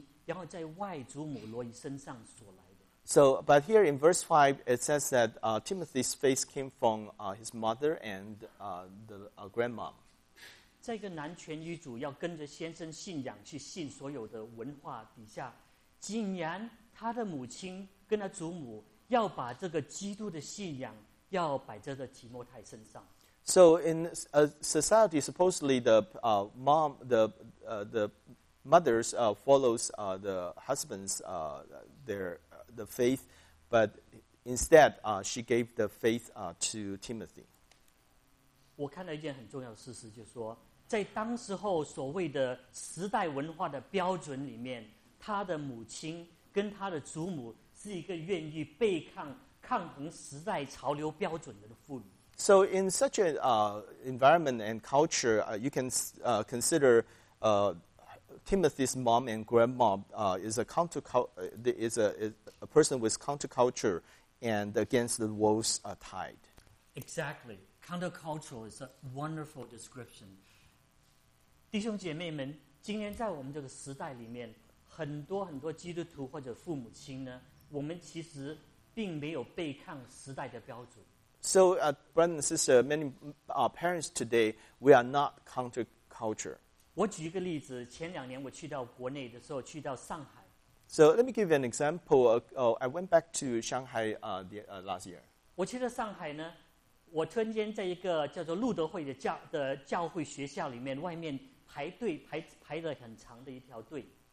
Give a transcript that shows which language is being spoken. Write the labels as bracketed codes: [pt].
[zh] 可是呢，这里第五节就说，提摩太，你的信心、你的信仰是首先由你母亲，然后在外祖母罗伊身上所来。 [en] So, but here in verse 5, it says that Timothy's faith came from his mother and the grandma. [zh] 这个男权女主要跟着先生信仰去信所有的文化底下，竟然他的母亲跟他祖母要把这个基督的信仰要摆在这提摩太身上。 [en] So, in a society, supposedly the mom, the mothers follows the husband's the faith, but instead, she gave the faith to Timothy. [zh] 我看到一件很重要的事实，就是说，在当时候所谓的时代文化的标准里面，他的母亲跟他的祖母是一个愿意背抗抗衡时代潮流标准的妇女。 [en] So in such an environment and culture, you can consider Timothy's mom and grandma is a person with counterculture and against the world's tide. Exactly. Countercultural is a wonderful description. [zh] 弟兄姐妹们，今天在我们这个时代里面，很多很多基督徒或者父母亲呢，我们其实并没有背抗时代的标准。 [en] So, brother and sister, many parents today, we are not counterculture. [zh] 我举一个例子，前两年我去到国内的时候，去到上海。 [en] So, let me give you an example. I went back to Shanghai last year. [zh] 我去到上海呢，我突然间在一个叫做路德会的 教会学校里面，外面排队 排了很长的一条队。